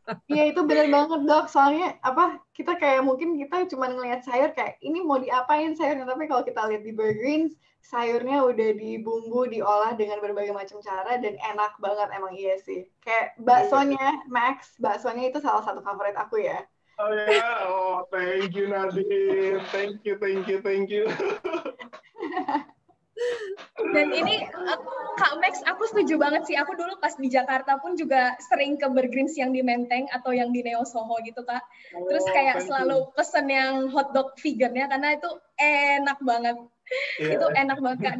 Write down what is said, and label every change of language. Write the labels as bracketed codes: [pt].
[id] Iya, itu benar banget, dok. Soalnya apa? Kita kayak mungkin kita cuma ngelihat sayur kayak ini mau diapain sayurnya, tapi kalau kita lihat di Burgerins, sayurnya udah dibumbu, diolah dengan berbagai macam cara dan enak banget, emang iya sih. Kayak baksonya, Max, baksonya itu salah satu favorit aku ya. [en] Oh ya, yeah. Oh thank you Nadine, thank you. [id] Dan ini Kak Max, aku setuju banget sih. Aku dulu pas di Jakarta pun juga sering ke Burgerins yang di Menteng atau yang di Neo Soho gitu, Kak. Terus kayak selalu pesen yang hotdog vegan-nya karena itu enak banget. Yeah. Itu enak banget, Kak.